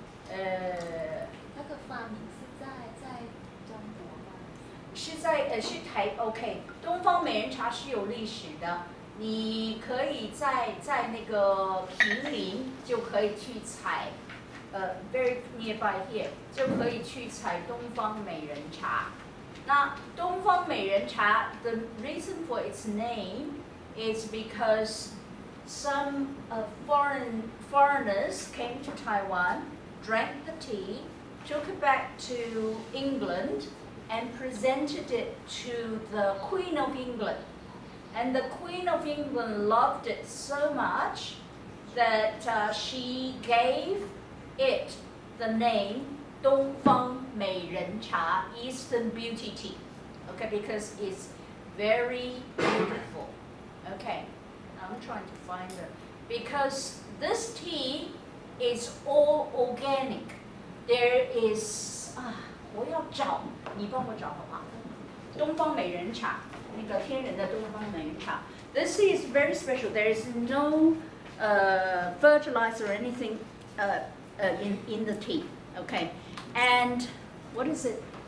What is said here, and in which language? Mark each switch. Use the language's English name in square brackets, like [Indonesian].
[Chinese] 那个发明是在中国吗？是在是台 OK. 东方美人茶是有历史的，你可以在那个平林就可以去采。 [English] Very nearby here, [Chinese] 就可以去采东方美人茶。 [English] 那东方美人茶 the reason for its name is because some foreigners came to Taiwan, drank the tea, took it back to England, and presented it to the Queen of England. And the Queen of England loved it so much that she gave it the name 东方美人茶 Eastern Beauty Tea, okay, because it's very beautiful. Okay, I'm trying to find it. Because this tea is all organic. There is, [Chinese] 我要找，你帮我找好不好？东方美人茶，那个天然的东方美人茶。 [English] This tea is very special. There is no fertilizer or anything. In the tea, okay, and what is it?